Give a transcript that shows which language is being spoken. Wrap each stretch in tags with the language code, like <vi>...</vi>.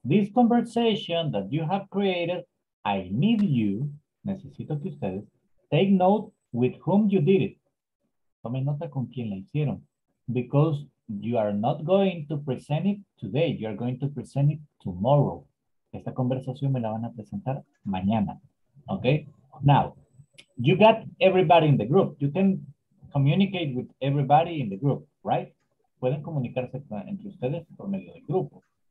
<en>This conversation that you have created, I need you,</en> <es>necesito que ustedes,</es> <en>take note with whom you did it.</en> <es>Tome nota con quién la hicieron.</es> <en>Because you are not going to present it today. You are going to present it tomorrow.</en> <es>Esta conversación me la van a presentar mañana.</es> <en>Okay? Now, you got everybody in the group. You can communicate with everybody in the group, right?</en> <es>Pueden comunicarse entre ustedes por medio del grupo.</es>